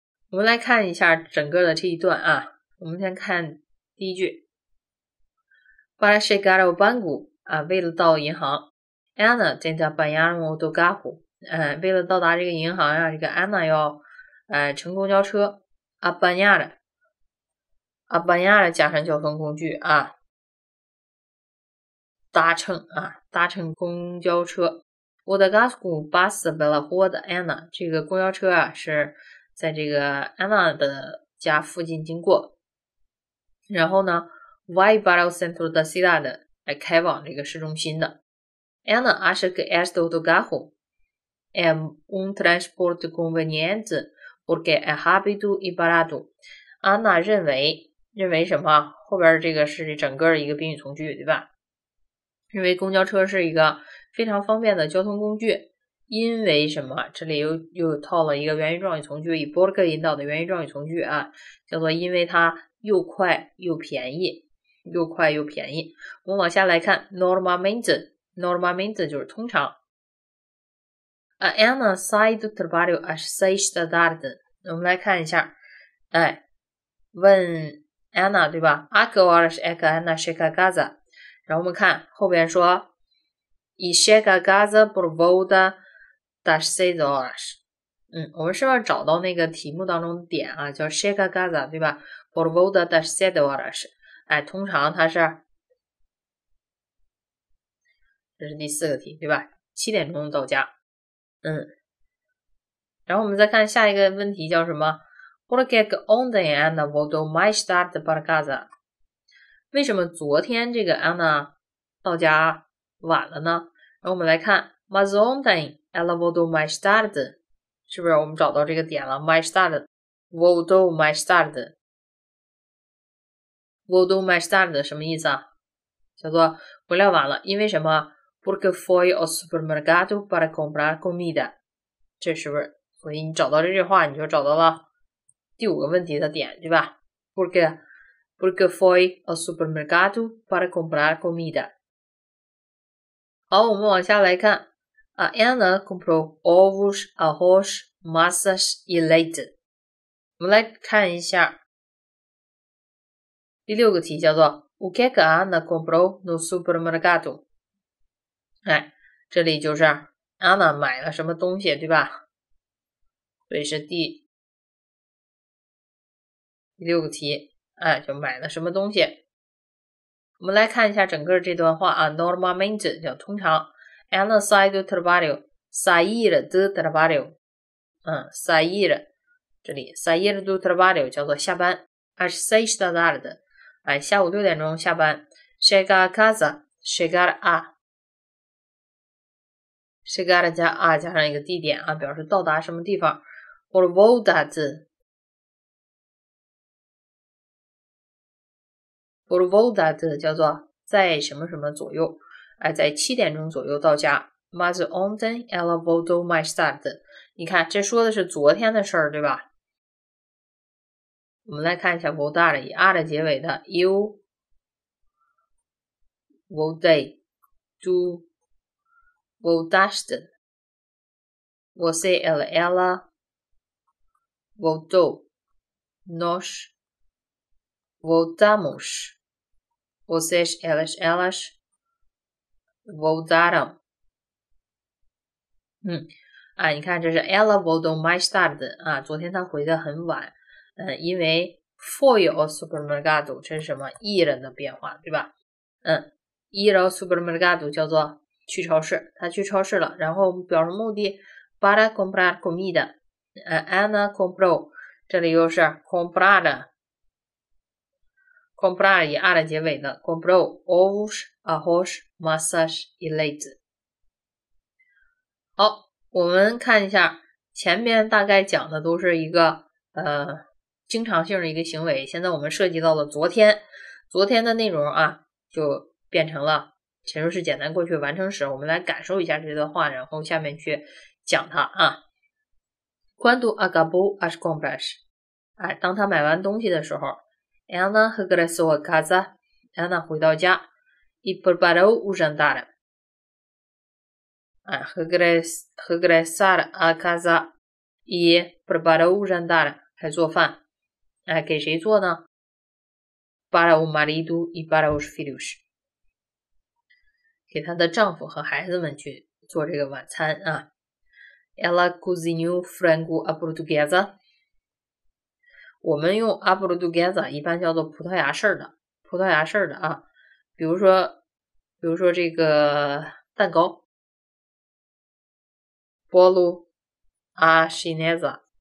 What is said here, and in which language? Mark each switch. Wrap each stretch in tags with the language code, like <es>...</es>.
<zh>我们来看一下整个的这一段啊，我们先看第一句。</zh> <pt>Para chegar ao banco,</pt> <zh>为了到银行，</zh> <pt>Anna tem de apanhar um outro carro，</pt> <zh>为了到达这个银行啊，这个 Anna 要乘公交车。 Apanhar 加上交通工具啊，搭乘公交车。</zh> <pt>O do carro passa pela rua da Anna，</pt> <zh>这个公交车啊是在这个 Anna 的家附近经过。然后呢，</zh> <pt>Vai para o centro da cidade，</pt> <zh>来开往这个市中心的。</zh> <pt>Anna acha que este autocarro é transporte conveniente porque é rápido e barato。</pt> <zh>Anna 认为什么，后边这个是整个一个宾语从句，对吧？认为公交车是一个非常方便的交通工具。因为什么，这里又套了一个原因状语从句，以 porque 引导的原因状语从句啊，叫做因为它又快又便宜。又快又便宜。我们往下来看 ，normalmente 就是通常。</zh> <pt>A Ana sai do trabalho às 6 da tarde.</pt> <zh>我们来看一下，哎，问</zh> <pt>Ana</pt> <zh>对吧</zh> <pt>？A que horas é que Ana chega a casa？</pt> <zh>然后我们看后边说</zh> <pt>，E chega a casa por volta das 6 horas。</pt> <zh>嗯，我们是不是找到那个题目当中的点啊？</zh> <pt>叫 chega a casa</pt> <zh>对吧</zh> <pt>？Por volta das 6 horas。</pt> <zh>哎，通常它是，这是第四个题对吧？ 7点钟到家。嗯，然后我们再看下一个问题叫什么 ？</zh> <pt>Por que ontem Ana voltou mais tarde para casa？</pt> <zh>为什么昨天这个 Ana 到家晚了呢？然后我们来看 ，</zh> <pt>Mas ontem ela voltou mais tarde，</pt> <zh>是不是我们找到这个点了 ？</zh> <pt>Mais tarde， voltou mais tarde，</pt> <zh>voltou mais tarde 什么意思啊？叫做回来晚了，因为什么？</zh> <pt>Porque foi ao supermercado para comprar comida.</pt> <zh>这是不是？所以你找到这句话，你就找到了第五个问题的点，对吧 ？</zh> <pt>Porque foi ao supermercado para comprar comida.</pt> <zh>好，我们往下来看。</zh> <pt>A Ana comprou ovos, arroz, massas e leite.</pt> <zh>我们来看一下第六个题，叫做</zh> <pt>O que que Ana comprou no supermercado?</pt> <zh>哎，这里就是 Anna 买了什么东西，对吧？所以是第6个题，哎，就买了什么东西。</zh> <pt>我们来看一下整个这段话啊 ，normalmente</pt> <zh>叫通常</zh> <pt>，Anna sai do trabalho， sair do trabalho， sair， 这里 sair do trabalho</pt> <zh>叫做下班</zh> <pt>，às 6 da tarde，</pt> <zh>哎，下午6点钟下班</zh> <pt>，chega a casa， chegar a。</pt> <zh>chegar 加 a 加上一个地点啊，表示到达什么地方。</zh> <pt>por volta de， por volta de</pt> <zh>叫做在什么什么左右，哎，在7点钟左右到家。</zh> <pt>mas ontem ela voltou mais tarde，</pt> <zh>你看这说的是昨天的事儿，对吧？我们来看一下 volta 以 a 的结尾的 ，</zh> <pt>eu voltei do。 Voltaste. Você, ela voltou. Nós voltamos. Vocês, elas voltaram.</pt> <zh>你看这是</zh> <pt>ela voltou mais tarde.</pt> <zh>啊，昨天她回得很晚。因为</zh> <pt>foi ao supermercado,</pt> <zh>这是什么 ir 的变化对吧？</zh> <pt>ir ao supermercado</pt> <zh>叫做去超市，他去超市了，然后表示目的</zh> <pt>para comprar comida， Ana comprou，</pt> <zh>这里又是 comprar 以 ar 结尾的</zh> <pt>comprou ovos, arroz, massas e leite。</pt> <zh>好，我们看一下前面大概讲的都是一个经常性的一个行为，现在我们涉及到了昨天的内容啊，就变成了前述是简单过去完成时，我们来感受一下这段话，然后下面去讲它啊。</zh> <pt>Quando acabou as compras，</pt> <zh>哎，当他买完东西的时候</zh> <pt>，Ana regressou a casa， Ana</pt> <zh>回到家</zh> <pt>，e preparou o jantar。 regressar a casa e preparou o jantar，</pt> <zh>还做饭，哎，给谁做呢</zh> <pt>？Para o marido e para os filhos。</pt> <zh>给她的丈夫和孩子们去做这个晚餐啊。</zh> <pt>Ela cozinhou frango à portuguesa。</pt> <zh>我们用 à portuguesa 一般叫做葡萄牙式的，葡萄牙式的啊。比如说这个蛋糕 ，</zh> <pt>bolo à chinesa。</pt>